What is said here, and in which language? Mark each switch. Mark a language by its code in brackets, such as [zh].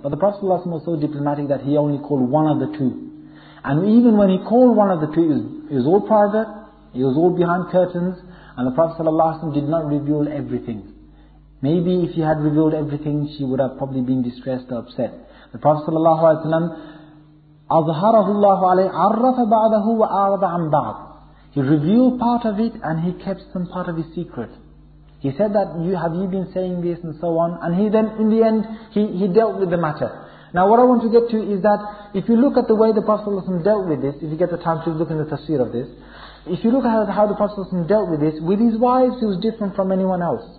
[en] But the Prophet was so diplomatic that he only called one of the two. And even when he called one of the two, it was all private, it was all behind curtains, and the Prophet did not reveal everything. Maybe if he had revealed everything, she would have probably been distressed or upset. The Prophet ﷺ, [ar] أَظْهَرَهُ اللَّهُ عَلَيْهِ عَرَّفَ بَعْضَهُ وَأَعْرَضَ عَنْ بَعْضٍ. [en] He revealed part of it and he kept some part of his secret. He said that, have you been saying this and so on? And he then, in the end, he dealt with the matter. Now what I want to get to is that, if you look at the way the Prophet ﷺ dealt with this, if you get the time, please look in the tafsir of this. If you look at how the Prophet ﷺ dealt with his wives, he was different from anyone else.